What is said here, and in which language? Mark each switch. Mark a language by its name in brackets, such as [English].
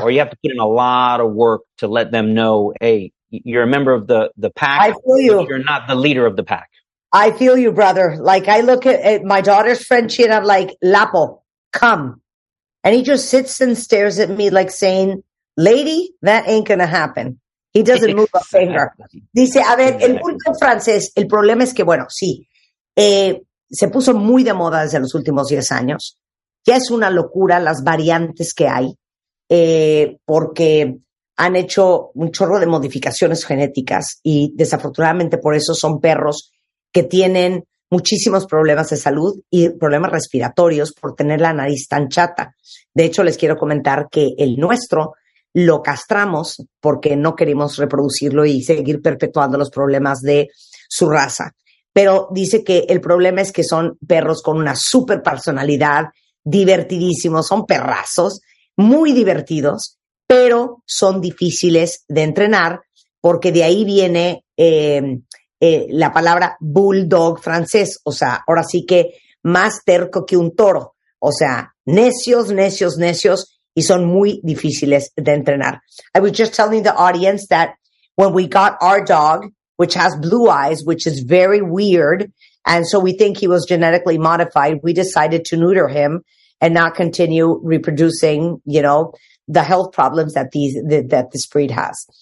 [English] Or you have to put in a lot of work to let them know, hey, you're a member of the pack. I feel you. You're not the leader of the pack. I feel you, brother. Like, I look at my daughter's Frenchie and I'm like, Lapo, come. And he just sits and stares at me like saying, lady, that ain't going to happen. He doesn't move a finger. [Spanish] Dice, a ver, el punto francés, el problema es que, bueno, sí, se puso muy de moda desde los últimos 10 años. Ya es una locura las variantes que hay, porque han hecho un chorro de modificaciones genéticas y desafortunadamente por eso son perros que tienen muchísimos problemas de salud y problemas respiratorios por tener la nariz tan chata. De hecho, les quiero comentar que el nuestro lo castramos porque no queremos reproducirlo y seguir perpetuando los problemas de su raza. Pero dice que el problema es que son perros con una super personalidad, divertidísimos, son perrazos, muy divertidos, pero son difíciles de entrenar porque de ahí viene la palabra bulldog francés. O sea, ahora sí que más terco que un toro. O sea, necios, necios, necios, y son muy difíciles de entrenar. [English] I was just telling the audience that when we got our dog, which has blue eyes, which is very weird, and so we think he was genetically modified, we decided to neuter him and not continue reproducing, you know, the health problems that that this breed has.